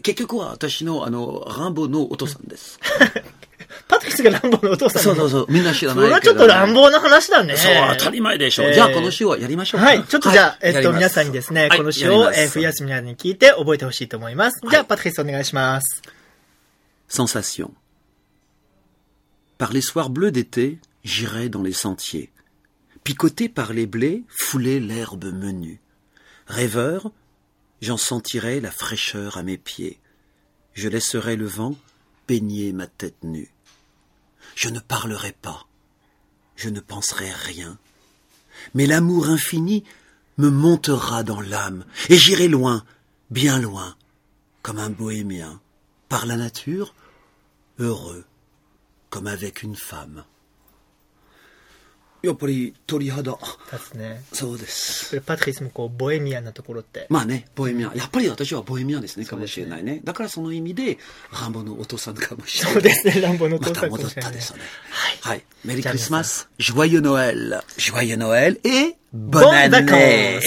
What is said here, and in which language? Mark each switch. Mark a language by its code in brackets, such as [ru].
[ja] 結局は私のランボーのお父さんです。パトリスが乱暴のお父さん。そうそうそう。みんな知らないけど、それはちょっと乱暴な話だね。そう、当たり前でしょう。じゃあ、この詩をやりましょうか。はい。ちょっとじゃあ、はい、皆さんにですね、この詩を、はい、冬休みに聞いて覚えてほしいと思います。はい、じゃあ、パトリスお願いします。 [fr] Sensation. Par les soirs bleus d'été, j'irai dans les sentiers. Picoté par les blés, foulé l'herbe menue. Rêveur, j'en sentirai la fraîcheur à mes pieds. Je laisserai le vent baigner ma tête nue. Je ne parlerai pas, je ne penserai rien, mais l'amour infini me montera dans l'âme, et j'irai loin, bien loin, comme un bohémien, par la nature, heureux, comme avec une femme. [ja] やっぱり鳥肌。立つね。そうです。これパトリスもこうボヘミアンなところって。まあね、ボヘミアン。やっぱり私はボヘミアンですね、かもしれないね。だからその意味で、ランボのお父さんかもしれない。そうですね、ランボのお父さんかもしれない。また戻ったですよね。はい。はい。メリークリスマス、ジョイユノエル、ジョイユノエル、 [fr] et bonne année!